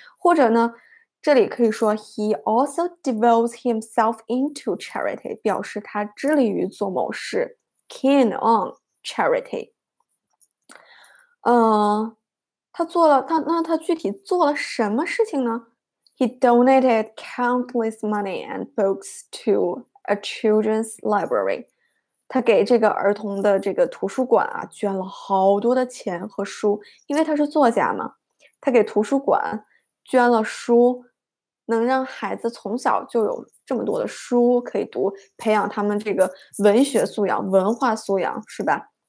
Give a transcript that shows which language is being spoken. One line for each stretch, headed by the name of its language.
Chinese: 或者呢，这里可以说
English: he also devotes himself into charity，
Chinese: 表示他致力于做某事
English: ，keen on charity。
Chinese: 他具体做了什么事情呢？
English: He donated countless money and books to a children's library.
Chinese: 他给这个儿童的这个图书馆啊捐了好多的钱和书，因为他是作家嘛，他给图书馆捐了书，能让孩子从小就有这么多的书可以读，培养他们这个文学素养、文化素养，是吧？